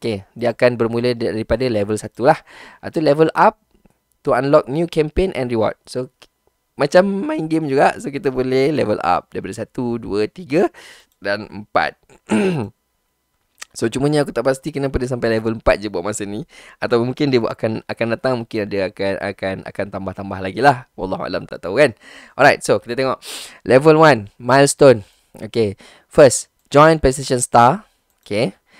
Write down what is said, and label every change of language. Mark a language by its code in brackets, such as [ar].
[ms] Okay, dia akan bermula daripada level 1 lah. [en] Itu level up to unlock new campaign and reward. [ms] So, macam main game juga. So, kita boleh level up daripada 1, 2, 3 dan 4. So cumanya aku tak pasti kenapa dia sampai level 4 je buat masa ni, atau mungkin dia akan datang, mungkin dia akan tambah-tambah lagi lah. Wallahualam, tak tahu kan. [en] Alright, so [ms] kita tengok [en] level 1 milestone. Okay, first, join PlayStation Star. Okay,